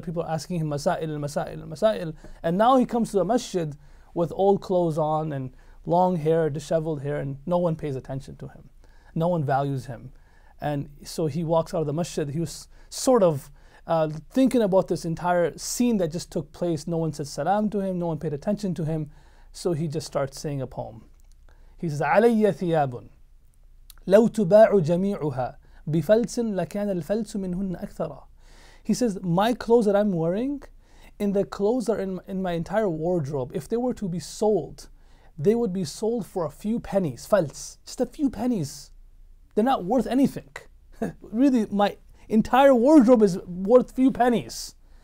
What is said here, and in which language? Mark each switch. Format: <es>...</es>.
<en>People are asking him masail, masail, masail. And now he comes to the masjid with old clothes on and long hair, disheveled hair, and no one pays attention to him. No one values him. And so he walks out of the masjid. He was sort of thinking about this entire scene that just took place. No one said salam to him. No one paid attention to him. So he just starts saying a poem. He says,</en> <ar>عَلَيَّ ثِيَابٌ لَوْ تُبَاعُ جَمِيعُهَا بِفَلْسٍ لَكَانَ الْفَلْسُ مِنْهُنَّ أَكْثَرًا.</ar> <en>He says, my clothes that I'm wearing and the clothes that are in my entire wardrobe, if they were to be sold, they would be sold for a few pennies, فَلْس, just a few pennies. They're not worth anything. Really, my entire wardrobe is worth few pennies.</en>